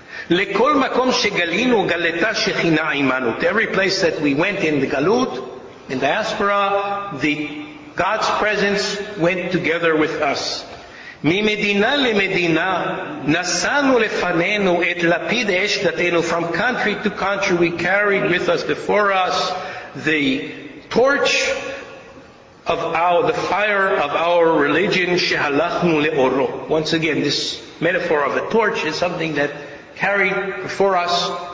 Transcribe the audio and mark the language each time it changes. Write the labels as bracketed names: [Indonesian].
[Hebrew] לכל מקום שגלינו גלתה שכינה עמנו. [English] To every place that we went in the Galut, in the diaspora, the God's presence went together with us. [Hebrew] ממדינה למדינה נסענו לפנינו את לפיד אש דתנו. [English] From country to country we carried with us before us the torch of our, the fire of our religion, [Hebrew] shehalachnu le'oro. [English] Once again, this metaphor of a torch is something that carried before us.